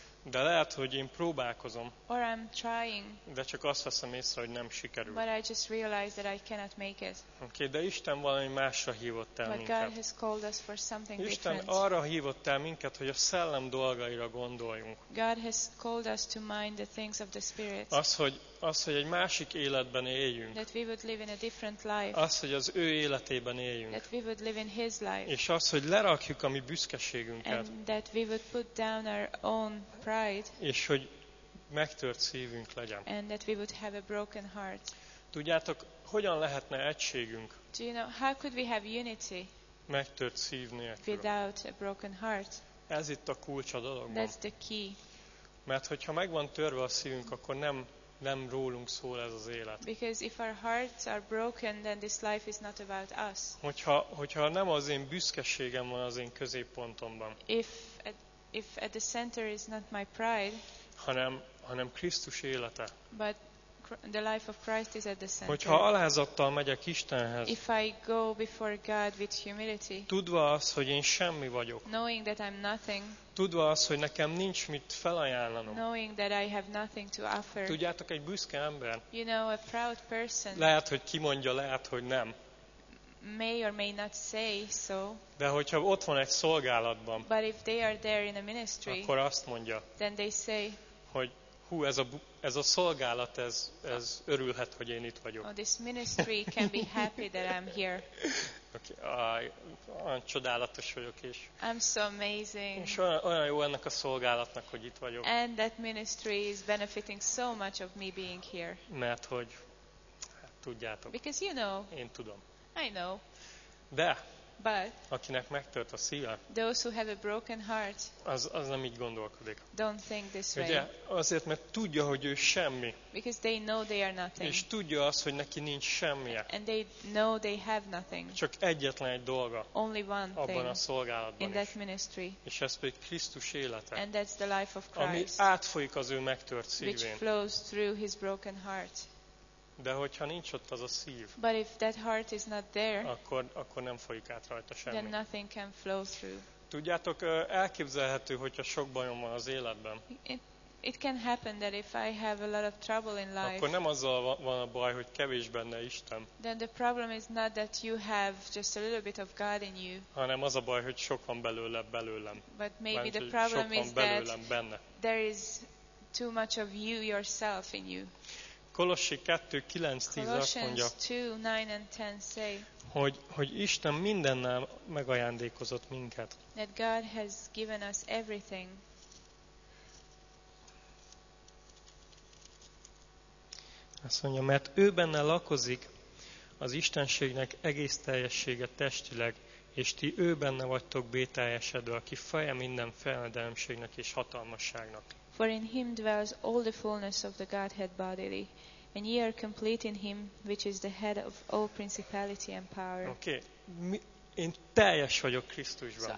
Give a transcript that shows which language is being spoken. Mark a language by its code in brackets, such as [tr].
[hu] De lehet, hogy én próbálkozom. [en] Or I'm trying. [hu] De csak azt veszem észre, hogy nem sikerül. [en] But I just realize that I cannot make it. [hu] Oké, okay, de Isten valami másra hívott el [en] but [hu] minket. [en] God has called us for something [hu] Isten [en] different. [hu] Isten arra hívott el minket, hogy a szellem dolgaira gondoljunk. [en] God has called us to mind the things of the spirit. [hu] Az, hogy egy másik életben éljünk. [en] That we would live in a different life. [hu] Az, hogy az ő életében éljünk. [en] That we would live in his life. [hu] És az, hogy lerakjuk a mi büszkeségünket. [en] And that we would put down our own pride. [hu] És hogy megtört szívünk legyen. [en] And that we would have a broken heart. [hu] Tudjátok, hogyan lehetne egységünk? [en] Do you know how could we have unity? [hu] Megtört szív nélkül. [en] Without a broken heart. [hu] Ez itt a kulcs a dologban. [en] That's the key. [hu] Mert hogyha megvan törve a szívünk, akkor nem rólunk szól ez az élet. [en] Because if our hearts are broken, then this life is not about us. [hu] Hogyha nem az én büszkeségem van az én középpontomban. [en] If at the center is not my pride. [hu] Hanem Krisztus élete. [en] But the life of Christ is at the center. [hu] Hogyha alázattal megyek Istenhez. [en] If I go before God with humility. [hu] Tudva azt, hogy én semmi vagyok. [en] Knowing that I'm nothing. [hu] Tudva azt, hogy nekem nincs mit felajánlanom. [en] Knowing that I have nothing to offer. [hu] Tudjátok, egy büszke ember. [en] You know, a proud person. [hu] Lehet, hogy kimondja, lehet, hogy nem. [en] may or may not say so. [hu] De hogyha ott van egy szolgálatban, [en] but if they are there in a ministry, [hu] akkor azt mondja, [en] then they say, [hu] hogy hú, ez a szolgálat, ez örülhet, hogy én itt vagyok. [en] Oh, this ministry can be happy that I'm here. [hu] Okay, olyan csodálatos vagyok is. [en] I'm so amazing. [hu] És olyan jó ennek a szolgálatnak, hogy itt vagyok. [en] And that ministry is benefiting so much of me being here. [hu] Mert hogy tudjátok. [en] Because you know. [hu] Én tudom. [en] I know. [hu] De. [en] But. [hu] Akinek megtört a szíve. [en] Those who have a broken heart. [hu] Az nem így gondolkodik. [en] Don't think this way. [hu] Ugye, azért, mert tudja, hogy ő semmi. [en] Because they know they are nothing. [hu] És tudja azt, hogy neki nincs semmije. [en] And they know they have nothing. [hu] Csak egyetlen egy dolga. [en] Only one thing. [hu] Abban a szolgálatban. [en] In that ministry. [hu] És ez pedig Krisztus élete. [en] And that's the life of Christ. [hu] Ami átfolyik az ő megtört szívén. [en] Which flows through his broken heart. [hu] De hogyha nincs ott az a szív, [en] but if that heart is not there, [hu] akkor nem folyik át rajta semmi. [en] Then nothing can flow through. [hu] Tudjátok, elképzelhető, hogyha sok bajom van az életben. [en] It can happen that if I have a lot of trouble in life. [hu] Akkor nem azzal van a baj, hogy kevés benne Isten. [en] Then the problem is not that you have just a little bit of God in you. [hu] Hanem az a baj, hogy sok van belőlem. [en] But maybe the problem is that [hu] benne. [en] There is too much of you yourself in you. [hu] Kolossi 2:9-10 azt mondja, [en] 2:9-10 say, [hu] hogy Isten mindennel megajándékozott minket. [en] That God has given us everything. [hu] Azt mondja, mert ő benne lakozik az Istenségnek egész teljessége testileg, és ti ő benne vagytok bételyesedve, aki feje minden fejedelemségnek és hatalmasságnak. [en] For in him dwells all the fullness of the Godhead bodily, and ye are complete in him, which is the head of all principality and power. Okay. [hu] Én teljes vagyok Krisztusban.